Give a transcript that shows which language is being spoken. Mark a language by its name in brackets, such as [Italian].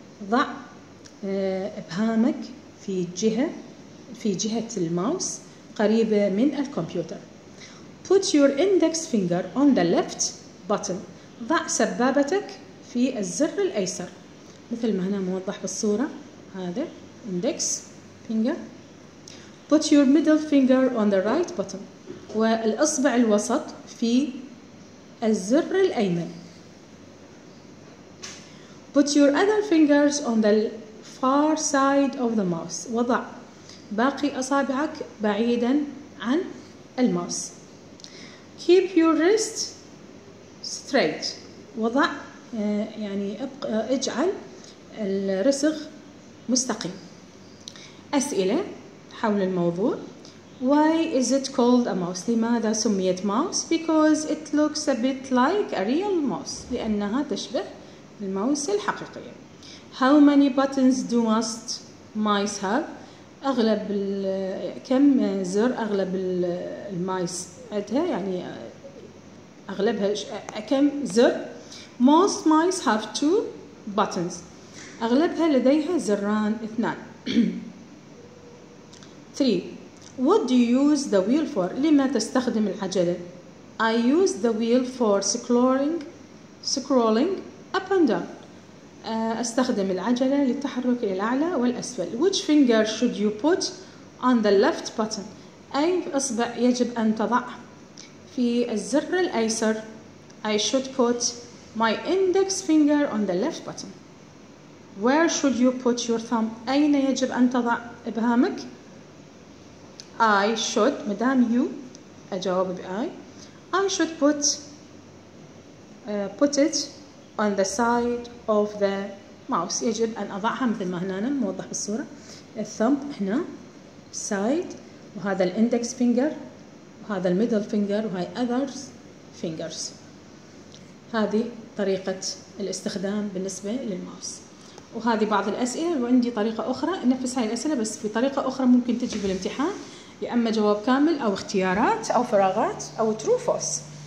[Arabic] ضع إبهامك في جهة الماوس قريبة من الكمبيوتر. [English] Put your index finger on the left button. [Arabic] ضع سبابتك في الزر الأيسر مثل ما هنا موضح بالصورة، هذا index finger. [English] Put your middle finger on the right button. [Arabic] والأصبع الوسط في الزر الأيمن. [English] Put your other fingers on the far side of the mouse. [Arabic] وضع باقي أصابعك بعيدا عن الماوس. [English] Keep your wrist straight. [Arabic] وضع يعني اجعل الرسغ مستقيم. أسئلة حول الموضوع. [English] Why is it called a mouse? لماذا سميت mouse? Because it looks a bit like a real mouse. [Arabic] لأنها تشبه الماوس الحقيقية. [English] How many buttons do most mice have? [Arabic] أغلب كم زر أغلب المايس عندها، يعني أغلبها كم زر. [English] Most mice have two buttons. [Arabic] أغلبها لديها زران اثنان. [English] Three. What do you use the wheel for? لما تستخدم العجلة؟ I use the wheel for scrolling up and down. [Arabic] أستخدم العجلة للتحرك إلى الأعلى والأسفل. [English] Which finger should you put on the left button? أي أصبع يجب أن تضع في الزر الأيسر؟ I should put my index finger on the left button. Where should you put your thumb? [Arabic] أين يجب أن تضع إبهامك؟ I should، مدام you، أجاوب بأي. [English] I should put it on the side of the mouse. [Arabic] يجب أن أضعها مثل ما هنا موضح بالصورة، الثمب هنا side، وهذا الindex finger، وهذا الميدل finger، وهي others fingers. هذه طريقة الاستخدام بالنسبة للماوس. وهذه بعض الأسئلة، وعندي طريقة أخرى نفس هاي الأسئلة بس بطريقة أخرى ممكن تجي بالامتحان، يا أما جواب كامل أو اختيارات أو فراغات أو true false.